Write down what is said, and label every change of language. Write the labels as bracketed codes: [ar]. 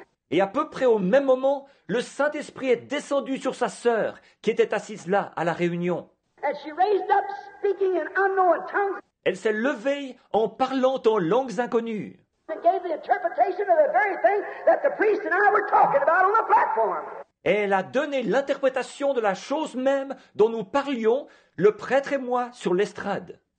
[fr] Et à peu près au même moment, le Saint-Esprit est descendu sur sa sœur qui était assise là à la réunion. [en] And she raised up speaking in unknown tongues. [fr] Elle s'est levée en parlant en langues inconnues. [en] And gave the interpretation of the very thing that the priest and I were talking about on the platform. [fr] Elle a donné l'interprétation de la chose même dont nous parlions, le prêtre et moi, sur l'estrade.